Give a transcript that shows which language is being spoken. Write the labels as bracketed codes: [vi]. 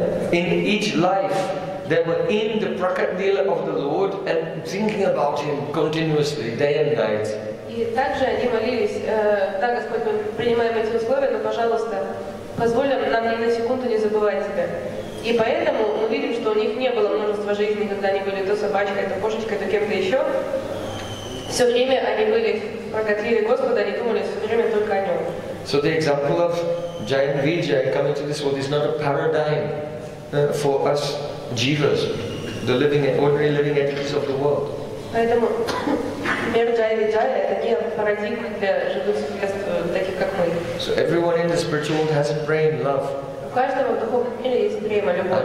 [en] In each life, they were in the prakatlila of the Lord and thinking about Him continuously, day and night. [ru] И также они молились, да, Господь, мы принимаем эти условия, но, пожалуйста, позволь нам ни на секунду не забывать Тебя. И поэтому мы видим, что у них не было множества жизней, когда они были то собачкой, то кошечкой, то кем-то еще. Все время они были в прокатлили Господа, они думали все время только о Нем. [en] So the example of Jain Vijay coming to this world is not a paradigm for us Jivas, the living, ordinary living entities of the world. [ru] Поэтому мир Джая Виджая это не парадигма для живых существ, таких как мы. [en] So everyone in the spiritual world has a brain, love. [ru] У каждого в духовном мире есть брейм, любовь.